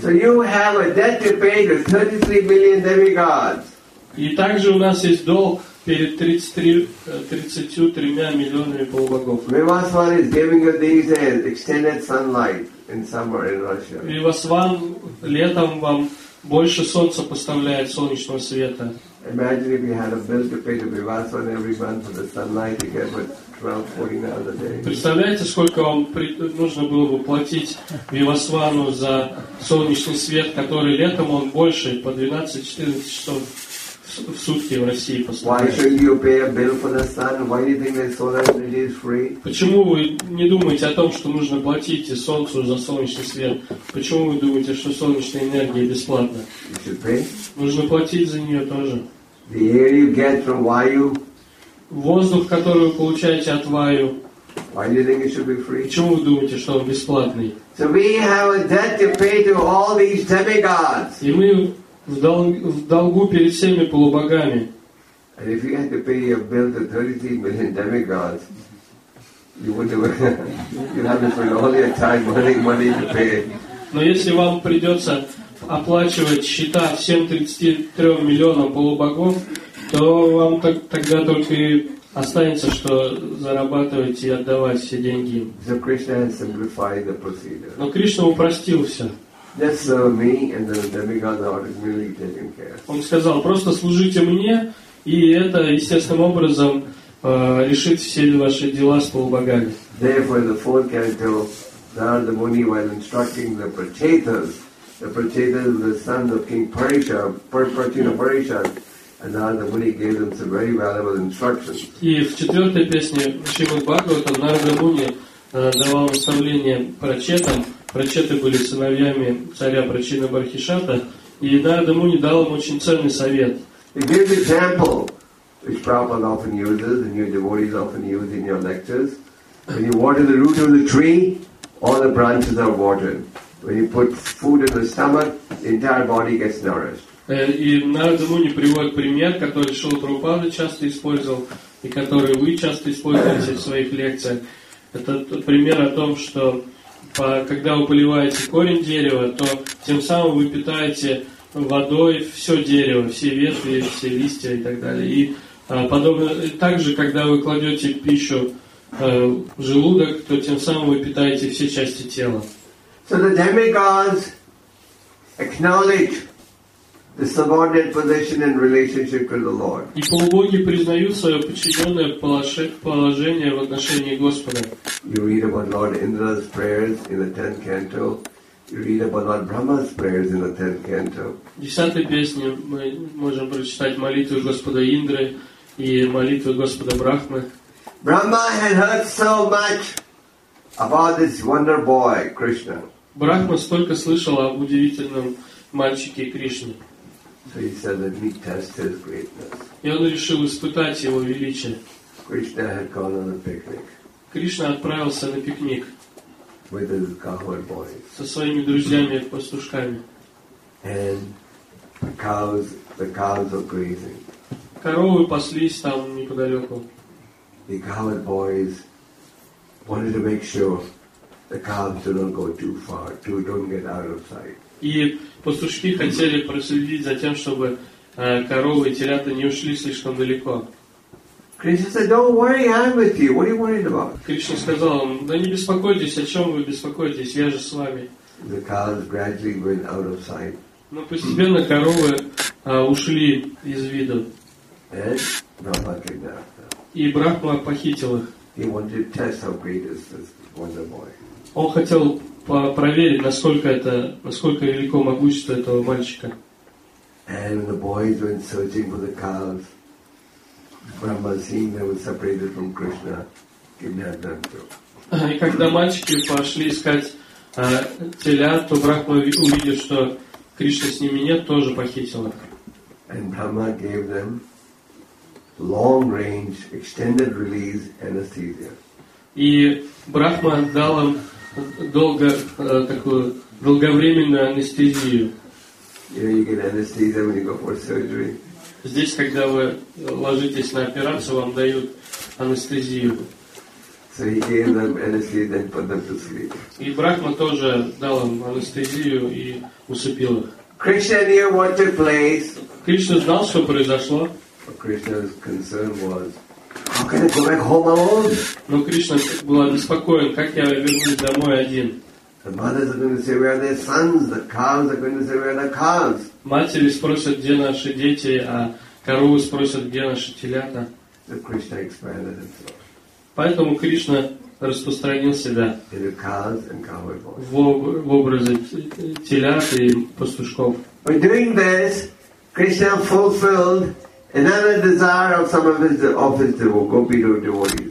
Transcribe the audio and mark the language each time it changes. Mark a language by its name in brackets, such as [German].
[English] So you have a debt to pay to 33 million demigods. [Russian] И также у нас есть долг перед 33 миллионами полубогов. [English] Vivasvan is giving us these extended sunlight in summer in Russia. [Russian] Vivasvan летом вам больше солнца поставляет, солнечного света. [English] Imagine if we had a bill to pay to Vivasvan every month for the sunlight to get with 12-14 hours a day. [Russian] Представляете, сколько вам нужно было бы платить Вивасвану за солнечный свет, который летом он больше, по 12-14 часов в сутки в России поставляет. [English] Why should you pay a bill for the sun? Why do you think that solar energy is free? [Russian] Почему вы не думаете о том, что нужно платить солнцу за солнечный свет? Почему вы думаете, что солнечная энергия бесплатна? [English] You should pay. [Russian] Нужно платить за нее тоже. [English] The air you get from why you... [Russian] Воздух, который вы получаете от Ваю. [English] Why do you think it should be free? [Russian] Почему вы думаете, что он бесплатный? [English] So we have a debt to pay to all these demigods. [Russian] И мы в долгу перед всеми полубогами. [English] And if you had to pay your bill to 33 million demigods, you would have you'd have to spend all your time earning money to pay. [Russian] Но если вам придется оплачивать счета всем 33 миллионам полубогов, то вам тогда только и останется, что зарабатывать и отдавать все деньги. [English] So Krishna has simplified the procedure. [Russian] Но Кришна упростил все. [English] Just serve me and the demigods are really taken care. [Russian] Он сказал, просто служите мне, и это естественным образом решит все ваши дела с полубогами. [English] Therefore, in the fourth canto, Narada Muni, while instructing the Prachetas, the sons of King Parisha, Prachina Parisha, and Narada Muni gave them some very valuable instructions. [Russian] И в четвертой песне Шримад Бхагаватам Нарада Муни давал наставление прачетам. Прачеты были сыновьями царя Прачина Бархишата, и Нарада Муни дал им очень ценный совет. [English] He gave the example which Prabhupada often uses, and your devotees often use in your lectures. When you water the root of the tree, all the branches are watered. When you put food in the stomach, the entire body gets nourished. [Russian] И Нарада Муни приводит пример, который Шрила Прабхупада часто использовал и который вы часто используете в своих лекциях. Это пример о том, что когда вы поливаете корень дерева, то тем самым вы питаете водой все дерево, все ветви, все листья и так далее. И подобно также, когда вы кладете пищу в желудок, то тем самым вы питаете все части тела. [English] So the demigods acknowledge the subordinate position in relationship to the Lord. [Russian] И полубоги признают свое подчиненное положение в отношении Господа. [English] You read about Lord Indra's prayers in the 10th canto. You read about Lord Brahma's prayers in the 10th canto. [Russian] В 10-й песне мы можем прочитать молитву Господа Индры и молитву Господа Брахмы. [English] Brahma had heard so much about this wonder boy, Krishna. [Russian] Брахма столько слышал об удивительном мальчике Кришне. [English] So he said, let me test his greatness. [Russian] И он решил испытать его величие. [English] Krishna had gone on a picnic. [Russian] Кришна отправился на пикник. [English] With his cowherd boys. [Russian] Со своими друзьями пастушками. [English] And the cows were grazing. [Russian] Коровы паслись там неподалеку. [English] The cowherd boys wanted to make sure the cows do not go too far, don't get out of sight. [Russian] И пастушки хотели проследить за тем, чтобы коровы и телята не ушли слишком далеко. [English] Krishna said, "Don't worry, I'm with you. What are you worried about?" [Russian] Кришна сказал им: "Да не беспокойтесь, о чем вы беспокоитесь? Я же с вами." [English] The cows gradually went out of sight. [Russian] Но постепенно коровы ушли из виду. [English] And Brahma came after. [Russian] И Брахма похитил их. [English] He wanted to test how great is this wonder boy. [Russian] Он хотел проверить, насколько велико могущество этого мальчика. [English] And the boys went searching for the cows. Brahma, seeing they were separated from Krishna, kidnapped them too. [Russian] И когда мальчики пошли искать телят, то Брахма увидел, что Кришна с ними нет, тоже похитил их. [English] And Brahma gave them long-range extended release anesthesia. [Russian] И Брахма дал им долговременную анестезию. [English] You get anesthesia when you go for surgery. [Russian] Здесь, когда вы ложитесь на операцию, вам дают анестезию. [English] So he gave them anesthesia and put them to sleep. [Russian] И Брахма тоже дал им анестезию и усыпил их. [English] Krishna knew what took place. [Russian] Кришна знал, что произошло. [English] But Krishna's concern was, how can I go back home alone? [Russian] Но Кришна был обеспокоен, как я вернусь домой один. [English] The mothers are going to say, where are their sons? The cows are going to say, where are the cows? [Russian] Матери спросят, где наши дети, а коровы спросят, где наши телята. [English] So Krishna expanded himself. [Russian] Поэтому Кришна распространил себя [English] in the cows and cowherd boys. [Russian] В образе телят и пастушков. [English] By doing this, Krishna fulfilled another desire of some of his gopi devotees.